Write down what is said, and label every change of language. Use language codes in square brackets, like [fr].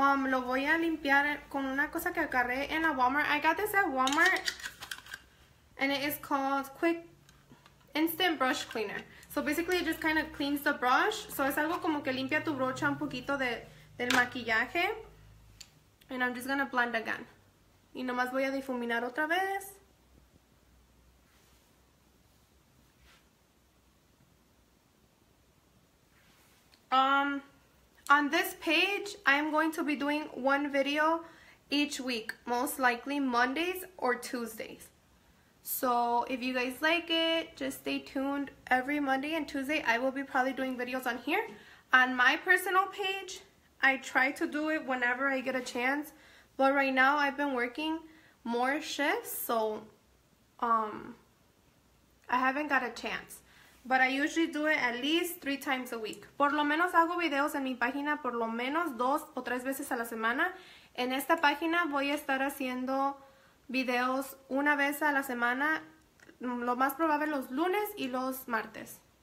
[es] Lo voy a limpiar con una cosa que agarré en la Walmart. [en] I got this at Walmart and it is called Quick Instant Brush Cleaner. So basically it just kind of cleans the brush. [es] So es algo como que limpia tu brocha un poquito del maquillaje. [en] And I'm just gonna blend again. [es] Y nomás voy a difuminar otra vez. [en] On this page, I am going to be doing one video each week, most likely Mondays or Tuesdays. So if you guys like it, just stay tuned. Every Monday and Tuesday, I will be probably doing videos on here. On my personal page, I try to do it whenever I get a chance, but right now I've been working more shifts, so I haven't got a chance. But I usually do it at least 3 times a week. [es] Por lo menos hago videos en mi página por lo menos 2 o 3 veces a la semana. En esta página voy a estar haciendo videos una vez a la semana, lo más probable los lunes y los martes.